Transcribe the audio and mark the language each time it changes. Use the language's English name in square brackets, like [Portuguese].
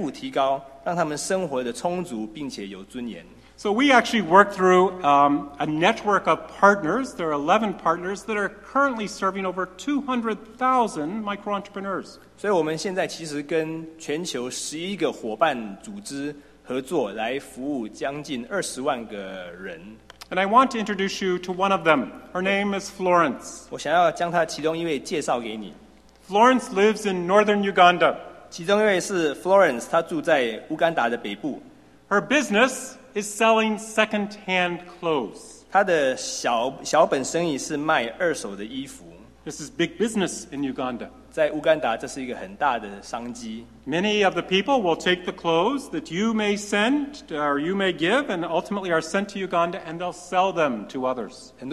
[Chinese] 这是一个已经证实非常有效的工具。这工具可以提高这些每天的收入不到2块钱的人，让他们的收入提高，让他们的财富提高，让他们生活的充足并且有尊严。 [English] So we actually work through a network of partners. There are 11 partners that are currently serving over 200,000 micro-entrepreneurs. [Chinese] 所以我们现在其实跟全球11个伙伴组织合作来服务将近20万个人。 [English] And I want to introduce you to one of them. Her name is Florence. [Chinese] 我想要将她其中一位介绍给你。 [English] Florence lives in northern Uganda. [Chinese] 其中一位是Florence, 她住在乌干达的北部。 [English] Her business is selling second-hand clothes. [Chinese] 他的小本生意是卖二手的衣服。 [English] This is big business in Uganda. [Chinese] 在乌干达，这是一个很大的商机。 [English] Many of the people will take the clothes that you may send or you may give and ultimately are sent to Uganda and they'll sell them to others.